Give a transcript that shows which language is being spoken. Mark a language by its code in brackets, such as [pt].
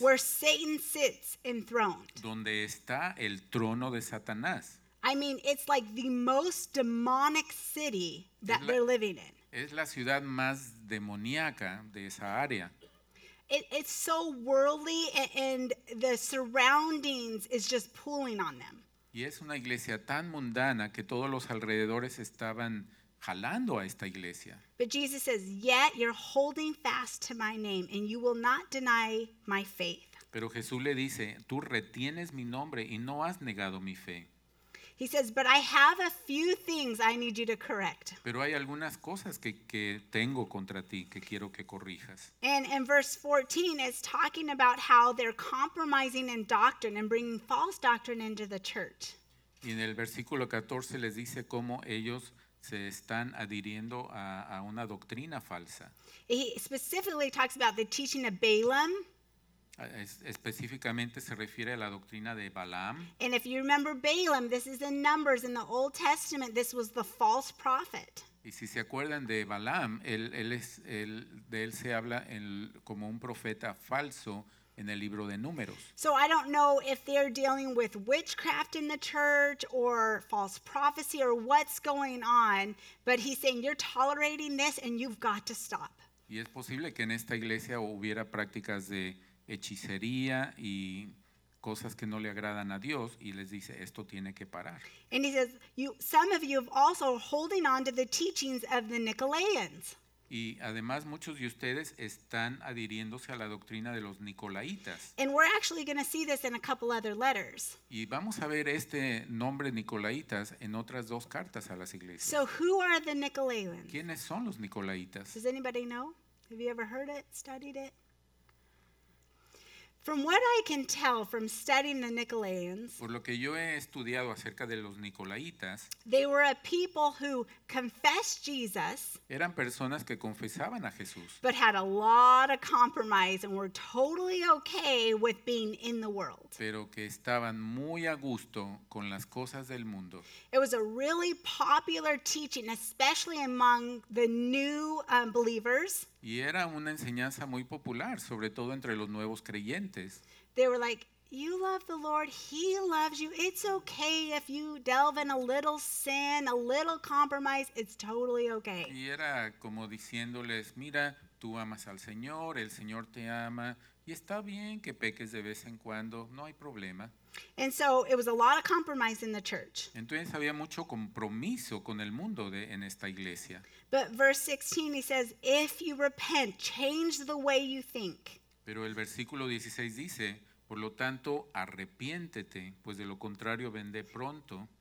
[en] Where Satan sits enthroned. [es] Donde está el trono de Satanás. [en] I mean, it's like the most demonic city that they're living in. [es] Es la ciudad más demoníaca de esa área. [en] It's so worldly and the surroundings is just pulling on them. [es] Y es una iglesia tan mundana que todos los alrededores estaban jalando a esta iglesia. [en] But Jesus says, yet you're holding fast to my name and you will not deny my faith. [es] Pero Jesús le dice, tú retienes mi nombre y no has negado mi fe. [en] He says, but I have a few things I need you to correct. [es] Pero hay algunas cosas que tengo contra ti que quiero que corrijas. [en] And in verse 14, it's talking about how they're compromising in doctrine and bringing false doctrine into the church. [es] Y en el versículo 14 les dice cómo ellos se están adhiriendo a una doctrina falsa. [en] He specifically talks about the teaching of Balaam. [es] Específicamente se refiere a la doctrina de Balaam. [en] And if you remember Balaam, this is in Numbers in the Old Testament, this was the false prophet. [es] Y si se acuerdan de Balaam, él se habla como un profeta falso en el libro de Números. [en] So I don't know if they're dealing with witchcraft in the church or false prophecy or what's going on, but he's saying you're tolerating this and you've got to stop. [es] Y es posible que en esta iglesia hubiera prácticas de hechicería y cosas que no le agradan a Dios y les dice esto tiene que parar. [en] And he says, some of you have also holding on to the teachings of the Nicolaitans. [es] Y además muchos de ustedes están adhiriéndose a la doctrina de los Nicolaitas. [en] And we're actually going to see this in a couple other letters. [es] Y vamos a ver este nombre Nicolaitas en otras dos cartas a las iglesias. [en] So who are the Nicolaitans? [es] ¿Quiénes son los Nicolaitas? [en] Does anybody know? Have you ever heard it, studied it? From what I can tell from studying the Nicolaitans, [es] por lo que yo he estudiado acerca de los Nicolaitas, [en] they were a people who confessed Jesus, [es] eran personas que confesaban a Jesús, [en] but had a lot of compromise and were totally okay with being in the world. [es] Pero que estaban muy a gusto con las cosas del mundo. [en] It was a really popular teaching, especially among the new believers. [es] Y era una enseñanza muy popular, sobre todo entre los nuevos creyentes. [en] They were like, you love the Lord, he loves you. It's okay if you delve in a little sin, a little compromise, it's totally okay. [es] Y era como diciéndoles, mira, tú amas al Señor, el Señor te ama, y está bien que peques de vez en cuando, no hay problema. [en] And so it was a lot of compromise in the church. [es] Entonces había mucho compromiso con el mundo de, en esta iglesia. [en] But verse 16, he says, if you repent, change the way you think. [es] Pero el versículo 16 dice, por lo tanto, arrepiéntete, pues de lo contrario, vendré pronto.